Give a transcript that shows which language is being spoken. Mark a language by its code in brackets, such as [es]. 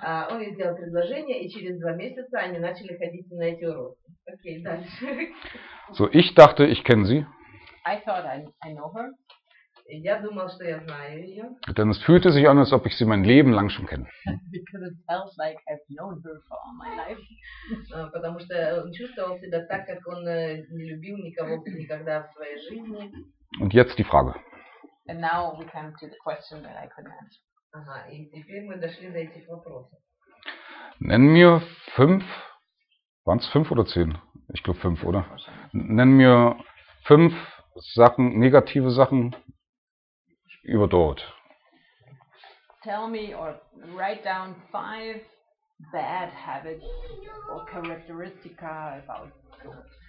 [ru] Он ей сделал предложение, и через 2 месяца они начали ходить на эти уроки. Окей, дальше. [de] So, ich dachte, ich kenne sie. [en] I thought I know her. [ru] Я думал, что я знаю ее. [de] Denn es fühlte sich an, als ob ich sie mein Leben lang schon kenne. [en] Because it felt like I've known her for all my life. [ru] Потому что он чувствовал себя так, как он не любил никого никогда в своей жизни. [de] Und jetzt die Frage. [en] And now we come to the question that I couldn't answer. [ru] Ага, и теперь мы дошли до этих вопросов. [de] Nenn mir 5, waren es 5 oder 10? Ich glaube 5, oder? Nenn mir 5 Sachen, negative Sachen über Dorit. [en] Tell me or write down 5 bad habits or characteristics about Dorit.